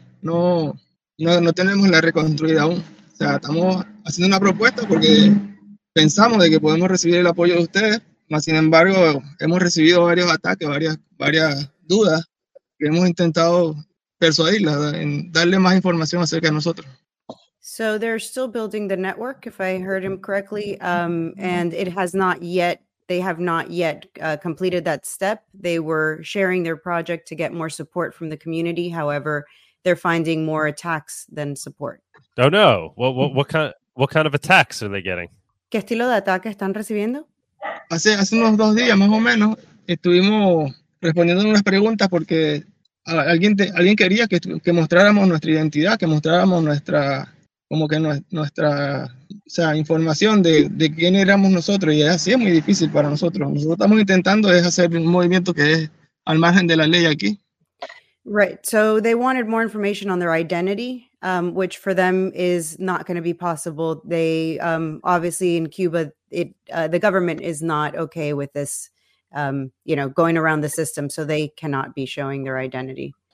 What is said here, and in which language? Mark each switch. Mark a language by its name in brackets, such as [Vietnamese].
[Spanish] No tenemos la reconstruida aún. O sea, estamos haciendo una propuesta porque pensamos de que podemos recibir el apoyo de ustedes, mas sin embargo, hemos recibido varios ataques, varias dudas que hemos intentado persuadirla en darle más información acerca de nosotros. [English] So they're still building the network, if I heard him correctly, and it has not yet, they have not yet completed that step. They were sharing their project to get more support from the community. However, they're finding more attacks than support. Oh, no. What kind of attacks are they getting? [Spanish] ¿Qué estilo de ataque están recibiendo? Hace unos dos días, más o menos, estuvimos respondiendo unas preguntas porque alguien quería que mostráramos nuestra identidad, que mostráramos nuestra... como que nuestra, o sea, información de quién éramos nosotros, y así es muy difícil para nosotros. Nosotros estamos intentando es hacer un movimiento que es al margen de la ley aquí. [English] Right, so they wanted more information on their identity, which for them is not going to be possible. They, obviously in Cuba, the government is not okay with this, you know, going around the system, so they cannot be showing their identity.